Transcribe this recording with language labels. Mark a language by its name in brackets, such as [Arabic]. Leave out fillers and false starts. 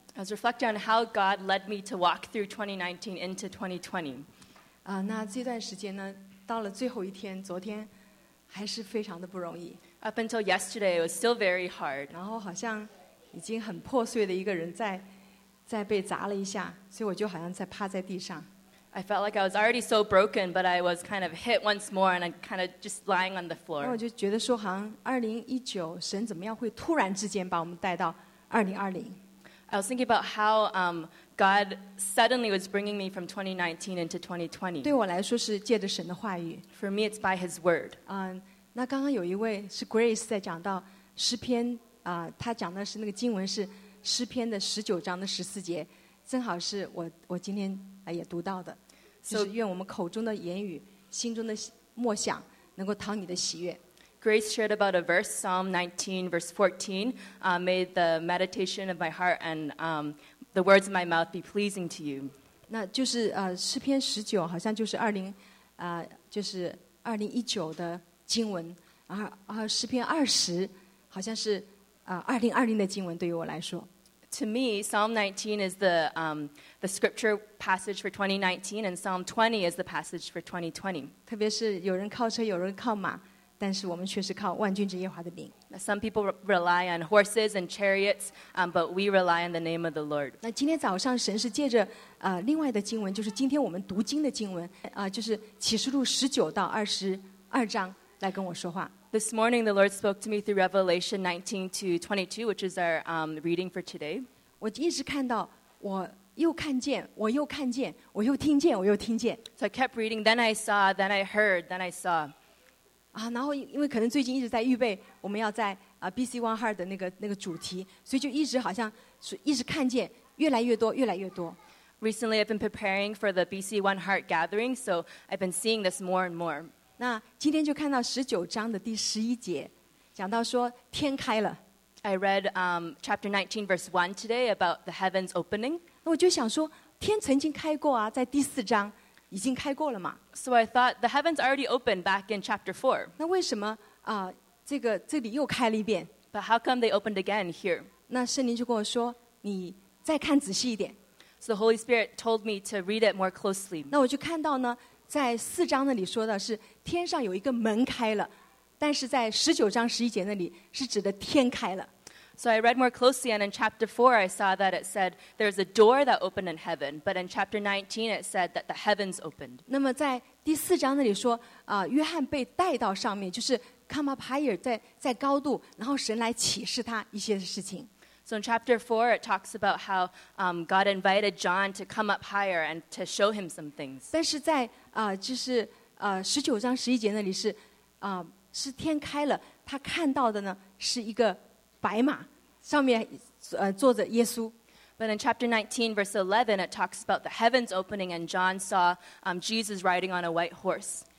[English] I was reflecting on how God led me to walk through 2019 into 2020. [Chinese] 那这段时间呢, 到了最后一天, 昨天, 还是非常的不容易。 [English] Up until yesterday, it was still very hard. [Chinese] 然后好像已经很破碎的一个人在 再被砸了一下，所以我就好像在趴在地上。 [English] I felt like I was already so broken, but I was kind of hit once more, and I kind of just lying on the floor. [Chinese] 我就觉得说，好像2019，神怎么样会突然之间把我们带到2020。 [English] I was thinking about how God suddenly was bringing me from 2019 into 2020. [Chinese] 对我来说是借着神的话语。 [English] For me, it's by His word. [Chinese] 那刚刚有一位是Grace在讲到诗篇，他讲的是那个经文是。诗篇的十九章的十四节，正好是我今天也读到的，就是愿我们口中的言语、心中的默想，能够讨你的喜悦。Grace [English] shared about a verse, Psalm 19, verse 14, made the meditation of my heart and the words of my mouth be pleasing to you. [Chinese] 那就是诗篇十九，好像就是二零，就是二零一九的经文，然后诗篇二十，好像是2020的经文对于我来说。 [English] To me, Psalm 19 is the scripture passage for 2019, and Psalm 20 is the passage for 2020. [Chinese] 特别是有人靠车，有人靠马，但是我们却是靠万军之耶和华的名。 [English] Some people rely on horses and chariots, but we rely on the name of the Lord. [Chinese] 那今天早上神是借着另外的经文，就是今天我们读经的经文，就是启示录十九到二十二章来跟我说话。 [English] This morning, the Lord spoke to me through Revelation 19 to 22, which is our reading for today. [Chinese] 我一直看到，我又看见，我又听见，我又听见。 [English] So I kept reading, then I saw, then I heard, then I saw. [Chinese] 然后因为可能最近一直在预备我们要在BC One Heart的那个主题，所以就一直好像一直看见越来越多，越来越多。 [English] Recently, I've been preparing for the BC One Heart gathering, so I've been seeing this more and more. [Chinese] 那今天就看到十九章的第十一节，讲到说天开了。 [English] I read chapter 19 verse 1 today about the heavens opening. [Chinese] 那我就想说，天曾经开过啊，在第四章已经开过了嘛。 [English] So I thought the heavens already opened back in chapter 4. [Chinese] 那为什么这里又开了一遍？ [English] But how come they opened again here? [Chinese] 那圣灵就跟我说，你再看仔细一点。 [English] So the Holy Spirit told me to read it more closely. [Chinese] 那我就看到呢。在四章那里说的是天上有一个门开了，但是在十九章十一节那里是指的天开了。 [English] So I read more closely, and in chapter 4 I saw that it said there's a door that opened in heaven, but in chapter 19 it said that the heavens opened. [Chinese] 那么在第四章那里说，约翰被带到上面，就是 [English] come up higher， [Chinese] 在高度，然后神来启示他一些事情。 [English] So in chapter 4, it talks about how God invited John to come up higher and to show him some things. [Chinese] 但是在就是19章11节那里是是天开了，他看到的呢是一个白马，上面坐着耶稣。 [English] But in chapter 19, verse 11, it talks about the heavens opening and John saw Jesus riding on a white horse.